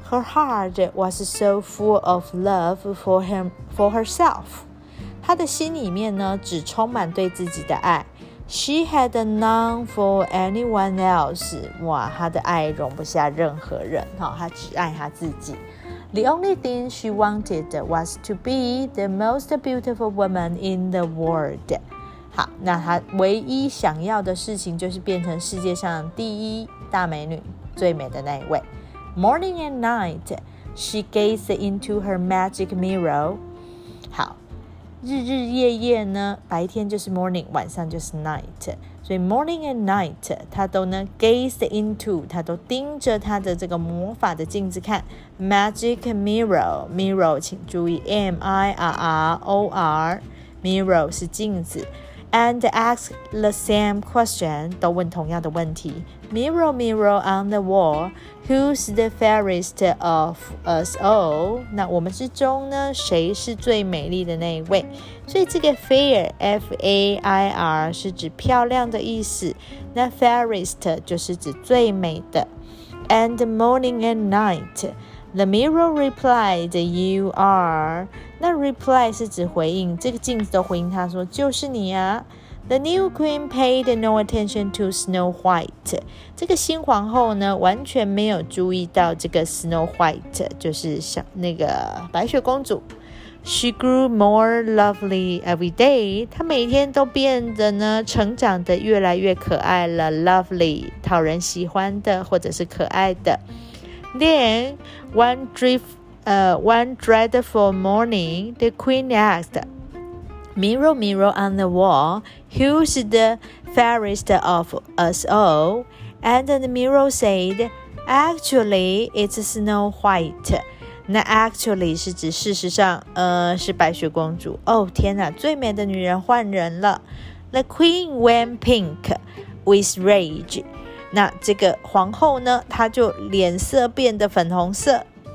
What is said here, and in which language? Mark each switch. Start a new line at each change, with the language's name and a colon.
English: Her heart was so full of love for him, for herself.
Chinese: 她的心里面呢，只充满对自己的爱。
English: She had none for anyone else.
Chinese: 哇，她的爱容不下任何人，她只爱她自己。
English: The only thing she wanted was to be the most beautiful woman in the world.
Chinese: 好，那她唯一想要的事情就是变成世界上第一大美女，最美的那一位。
English: Morning and night, she gazed into her magic mirror.
Chinese: 好，日日夜夜呢，白天就是 morning, 晚上就是 night. 所以
English: morning and night,
Chinese: 她都呢
English: gazed into,
Chinese: 她都盯着她的这个魔法的镜子看。
English: Magic mirror, mirror,
Chinese: 请注意 M-I-R-R-O-R, mirror 是镜子。
English: And ask the same question,
Chinese: 都问同样的问题。
English: Mirror, mirror on the wall, who's the fairest of us all?
Chinese: 那我们之中呢，谁是最美丽的那一位？所以这个 fair, F-A-I-R, 是指漂亮的意思。那 fairest 就是指最美的。
English: And morning and night, the mirror replied, you are...
Chinese: 那 reply 是指回应，这个镜子都回应他说就是你啊。
English: The new queen paid no attention to Snow White.
Chinese: 这个新皇后呢完全没有注意到这个 Snow White, 就是小那个白雪公主。
English: She grew more lovely every day.
Chinese: 她每天都变得呢成长得越来越可爱了。 Lovely, 讨人喜欢的或者是可爱的。
English: Then one dreadful morning, the queen asked, Mirror, mirror on the wall, who's the fairest of us all? And the mirror said, Actually, it's Snow White.
Chinese: 那 actually 是指事实上，是白雪公主。 Oh, 天哪，最美的女人换人了。
English: The queen went pink with rage.
Chinese: 那这个皇后呢，她就脸色变得粉红色。